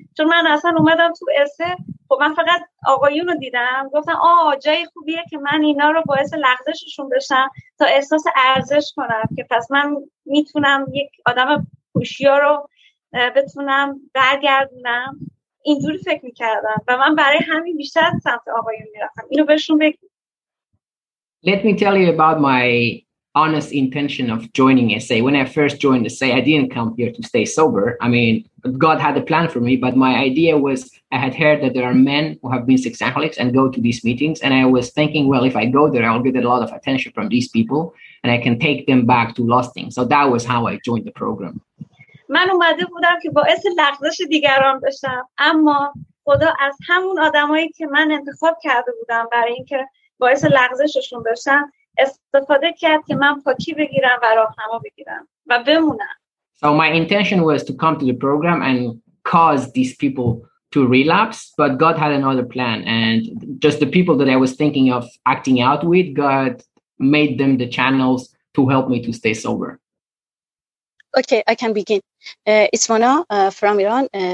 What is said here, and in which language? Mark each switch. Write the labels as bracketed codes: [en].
[fa] چون من اصلا اومدم تو اسه، خب من فقط آقایون رو دیدم، گفتم جای خوبیه که من اینا رو باعث لغزششون بشم تا احساس ارزش کنم که پس من میتونم یک آدم هوشیار رو بتونم برگردونم. اینجوری فکر میکردم و من برای همین بیشتر سمت آقایون میرفتم. اینو بهشون بگی. [en] Let me tell you about my honest intention of joining SA. When I first joined SA, I didn't come here to stay sober. I mean, God had a plan for me, but my idea was, I had heard that there are men who have been sex addicts and go to these meetings. And I was thinking, well, if I go there, I'll get a lot of attention from these people and I can take them back to lusting. So that was how I joined the program. [fa] من اومده بودم که باعث لغزش دیگران بشم، اما خدا از همون آدمایی که من انتخاب کرده بودم برای اینکه باعث لغزششون بشم استفاده کرد که من پاکی بگیرم و راهنما بگیرم و بمونم. [en] So my intention was to come to the program and cause these people to relapse, but God had another plan, and just the people that I was thinking of acting out with, God made them the channels to help me to stay sober. Okay, I can begin. It's Mona from Iran.